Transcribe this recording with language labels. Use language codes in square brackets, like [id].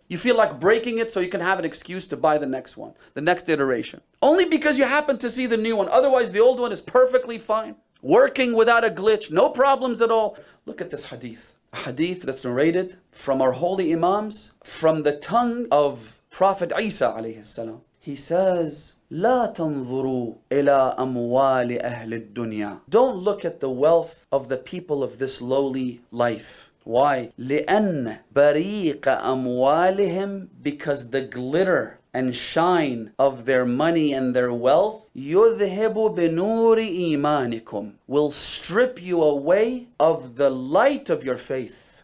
[en] You feel like breaking it so you can have an excuse to buy the next one, the next iteration. Only because you happen to see the new one, otherwise the old one is perfectly fine, working without a glitch, no problems at all. Look at this hadith. A hadith that's narrated from our holy imams, from the tongue of Prophet Isa alayhi salam. He says, [ar] لَا تَنْظُرُوا إِلَىٰ أَمْوَالِ أَهْلِ الدُّنْيَا. [en] Don't look at the wealth of the people of this lowly life. Why? [ar] لِأَنَّ بَرِيقَ أَمْوَالِهِمْ. [en] Because the glitter and shine of their money and their wealth, [ar] يُذْهِبُ بِنُورِ إِيمَانِكُمْ, [en] will strip you away of the light of your faith.